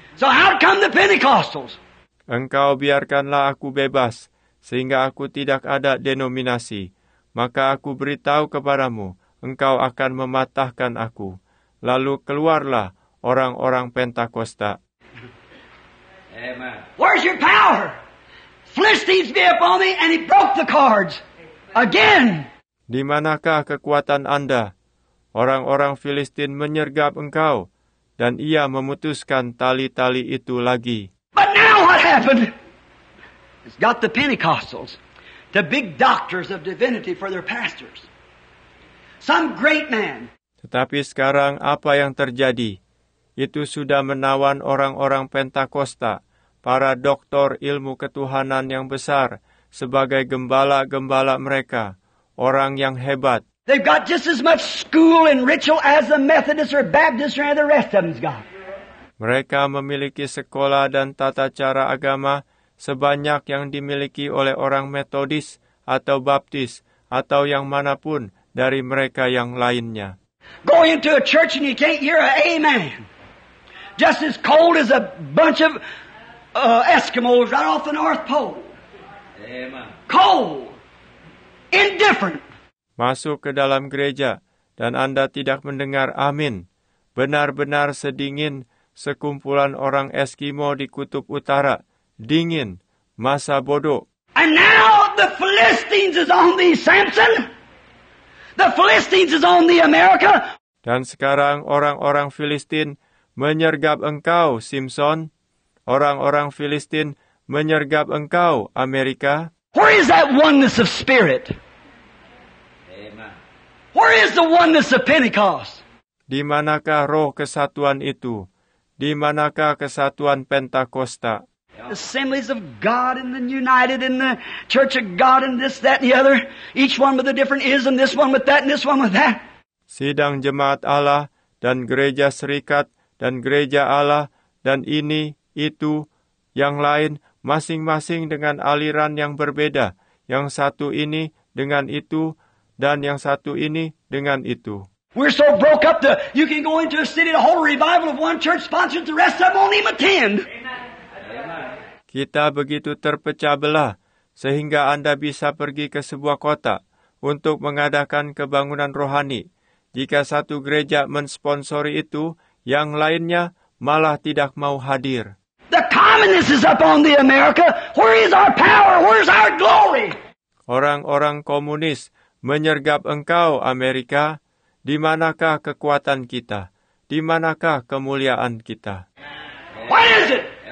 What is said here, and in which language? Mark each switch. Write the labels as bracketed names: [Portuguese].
[English] So how come the Pentecostals? [Indonesian] Engkau biarkanlah aku bebas, sehingga aku tidak ada denominasi. Maka aku beritahu kepadamu, engkau akan mematahkan aku. Lalu keluarlah orang-orang Pentakosta. Amen. [English] Where's your power? Philistines be upon me and he broke the cards. Again. [Indonesian] Di manakah kekuatan Anda? Orang-orang Filistin menyergap engkau, dan ia memutuskan tali-tali itu lagi. [English] But now what happened? It's got the Pentecostals, the big doctors of divinity for their pastors. Some great man. [Indonesian] Tetapi sekarang apa yang terjadi? Itu sudah menawan orang-orang Pentakosta, para doktor ilmu ketuhanan yang besar, sebagai gembala-gembala mereka, orang yang hebat. [English] They've got just as much school and ritual as the Methodists or Baptists or any of the rest of them's got. [Indonesian] Mereka memiliki sekolah dan tata cara agama sebanyak yang dimiliki oleh orang Methodist atau Baptist atau yang manapun dari mereka yang lainnya. [English] Go into a church and you can't hear an amen. Just as cold as a bunch of Eskimos right off the North Pole. Amen. Cold. Indifferent. [Indonesian] Masuk ke dalam gereja, dan Anda tidak mendengar amin. Benar-benar sedingin sekumpulan orang Eskimo di Kutub Utara. Dingin, masa bodoh. [English] And now the Philistines is on thee, Samson. The Philistines is on thee, America. [Indonesian] Dan sekarang orang-orang Filistin menyergap engkau, Simpson. Orang-orang Filistin menyergap engkau, Amerika. [English] Where is that oneness of spirit? Where is the oneness of Pentecost? [Indonesian] Di manakah roh kesatuan itu? Di manakah kesatuan Pentakosta? [English] The assemblies of God and the united in the church of God and this, that, and the other. Each one with a different ism, this one with that, and this one with that. [Indonesian] Sidang jemaat Allah dan gereja serikat dan gereja Allah dan ini, itu, yang lain, masing-masing dengan aliran yang berbeda. Yang satu ini dengan itu, dan yang satu ini dengan itu. [English] We're so broke up that you can go into a city to hold a revival of one church sponsored, the rest of them won't even attend. [Indonesian] Kita begitu terpecah belah sehingga Anda bisa pergi ke sebuah kota untuk mengadakan kebangunan rohani. Jika satu gereja mensponsori itu, yang lainnya malah tidak mau hadir. [English] The communist is up on the America. Where is our power? Where is our glory? [Indonesian] Orang-orang komunis menyergap engkau, Amerika, di manakah kekuatan kita? Di manakah kemuliaan kita? [English] What is it?